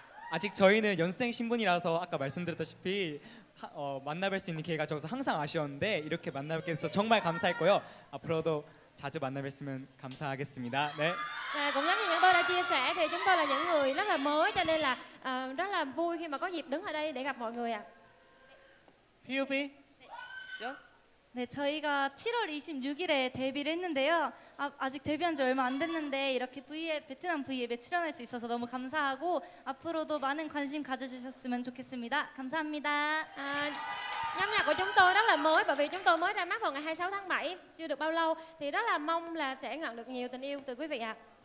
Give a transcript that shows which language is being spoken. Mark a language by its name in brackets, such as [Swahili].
[Korean] 아직 저희는 연습생 신분이라서 아까 말씀드렸다시피 만나뵐 수 있는 기회가 적어서 항상 아쉬웠는데 이렇게 만나뵙게 돼서 정말 감사했고요. 앞으로도 자주 만나뵙으면 감사하겠습니다. 네. [Vietnamese] 네, cũng giống như những tôi đã chia sẻ thì chúng tôi là những người rất là mới cho nên là rất là vui khi mà có dịp đứng ở đây để gặp mọi người ạ. POV. [Korean] 네, 저희가 7월 26일에 데뷔를 했는데요. 아직 데뷔한 지 얼마 안 됐는데 이렇게 베트남 V앱에 출연할 수 있어서 너무 감사하고 앞으로도 많은 관심 가져주셨으면 좋겠습니다. 감사합니다. [Vietnamese] Nhóm nhạc của chúng tôi rất là mới bởi vì chúng tôi mới ra mắt vào ngày 26 tháng 7 chưa được bao lâu thì rất là mong là sẽ nhận được nhiều tình yêu từ quý vị ạ.